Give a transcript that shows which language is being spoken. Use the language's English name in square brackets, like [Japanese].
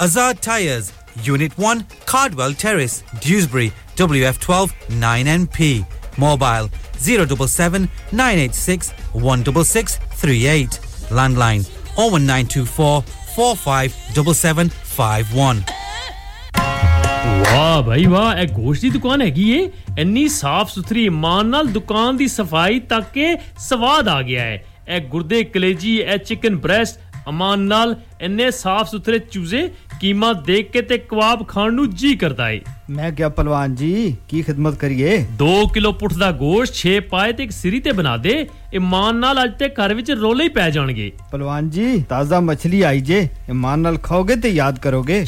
[English] Azad tyres unit 1 Cardwell terrace Dewsbury WF 12 9NP Mobile 077-986-16638 Landline 01924-457-751 Wow, brother, this is a grocery store. It's so clean, it's so clean, it's so clean. It's a clean, it's a chicken breast. [Punjabi] ਅਮਾਨ ਨਾਲ ਇੰਨੇ ਸਾਫ਼ ਸੁਥਰੇ ਚੂਜ਼ੇ ਕੀਮਾ ਦੇਖ ਕੇ ਤੇ ਕਵਾਬ ਖਾਣ ਨੂੰ ਜੀ ਕਰਦਾ ਏ ਮੈਂ ਕਿਹਾ ਪਹਿਲਵਾਨ ਜੀ ਕੀ ਖਿਦਮਤ ਕਰੀਏ 2 ਕਿਲੋ ਪੁੱਠ ਦਾ ਗੋਸ਼ 6 ਪਾਏ ਤੇ ਇੱਕ ਸਿਰੀ ਤੇ ਬਣਾ ਦੇ ਇਮਾਨ ਨਾਲ ਅੱਜ ਤੇ ਘਰ ਵਿੱਚ ਰੋਲੇ ਹੀ ਪੈ ਜਾਣਗੇ ਪਹਿਲਵਾਨ ਜੀ ਤਾਜ਼ਾ ਮੱਛੀ ਆਈ ਜੇ ਇਮਾਨ ਨਾਲ ਖਾਓਗੇ ਤੇ ਯਾਦ ਕਰੋਗੇ